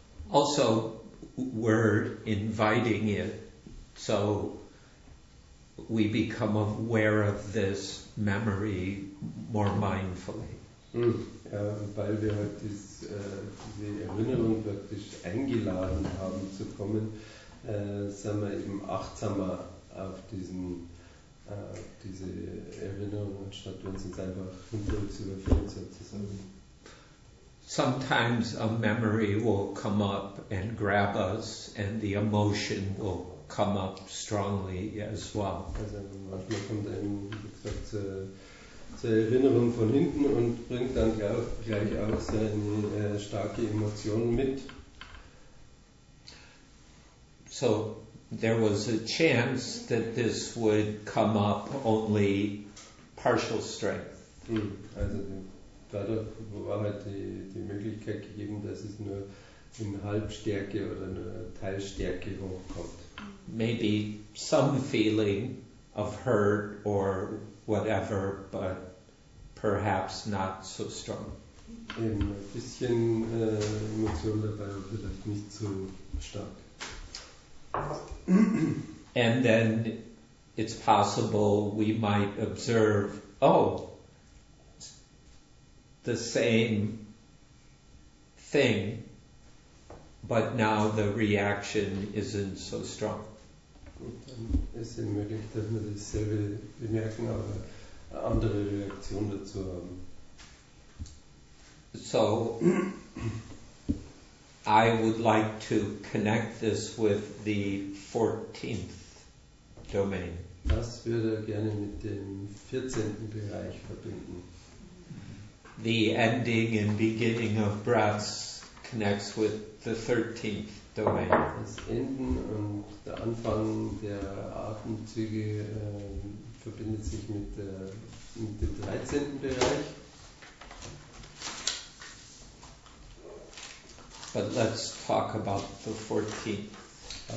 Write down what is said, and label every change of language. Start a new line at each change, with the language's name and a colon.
English: Also, we're inviting it, so we become aware of this memory more mindfully.
German: Ja, weil wir halt diese Erinnerung praktisch eingeladen haben zu kommen, sind wir eben achtsamer auf diese Erinnerung, anstatt wenn es uns einfach hinter uns überfällt sozusagen.
English: Sometimes a memory will come up and grab us and the emotion will come up strongly as well.
German: Also manchmal kommt eben, wie gesagt, zur Erinnerung von hinten und bringt dann gleich auch seine starke Emotion mit.
English: So, there was a chance that this would come up only partial strength.
German: Also dadurch war halt die Möglichkeit gegeben, dass es nur in Halbstärke oder in Teilstärke hochkommt.
English: Maybe some feeling of hurt or whatever, but perhaps not so strong.
German: Ein bisschen Emotion dabei, aber vielleicht nicht so stark.
English: And then it's possible we might observe, oh, the same thing, but now the reaction isn't so strong.
German: Und dann ist es möglich, dass wir dasselbe bemerken, aber eine andere Reaktion dazu haben.
English: So, I would like to connect this with the 14th domain.
German: Das würde gerne mit dem 14. Bereich verbinden.
English: The ending and beginning of breaths connects with the 13th domain.
German: Das Enden und der Anfang der Atemzüge verbindet sich mit dem 13. Bereich.
English: But let's talk about the 14th.